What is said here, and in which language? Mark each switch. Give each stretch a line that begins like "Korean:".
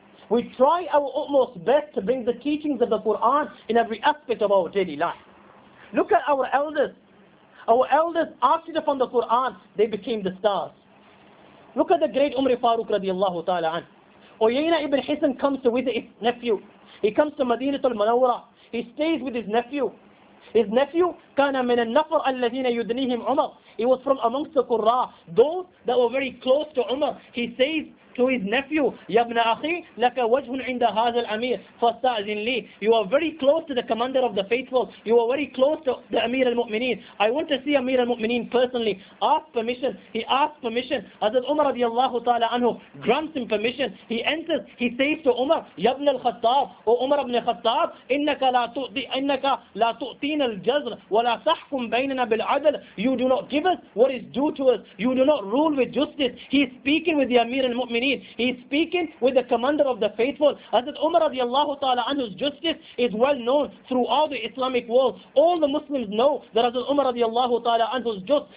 English: We try our utmost best to bring the teachings of the Quran in every aspect of our daily life. Look at our elders. Our elders acted upon the Quran, they became the stars. Look at the great Umar Farooq radiallahu ta'ala an. Uyayna ibn Hisn comes to visit his nephew. He comes to Madinatul Munawwara. He stays with his nephew.
Arabic: His nephew, كان من النفر الذين يدنيهم عمر.
English: He was from amongst the Qurra, those that were very close to Umar.
Arabic: He says to his nephew, يا ابن أخي لك وجه عند هذا الأمير فاستأذن لي.
English: You are very close to the commander of the faithful. You are very close to the Amir al-Mu'mineen. I want to see Amir al-Mu'mineen personally. Ask permission. He asks permission. Hazrat Umar radiallahu ta'ala anhu grants him permission. He enters. He says to Umar,
Arabic: يا ابن الخطاب,
English: O Umar ibn al-Khattab,
Arabic: إنك لا تؤتين الجزر ولا تحكم بيننا بالعدل.
English: You do not give us what is due to us. You do not rule with justice. He is speaking with the Amir al-Mu'mineen. He is speaking with the commander of the faithful. Hazrat Umar radiallahu ta'ala anhu's justice is well known throughout the Islamic world. All the Muslims know that Hazrat Umar radiallahu ta'ala anhu is just.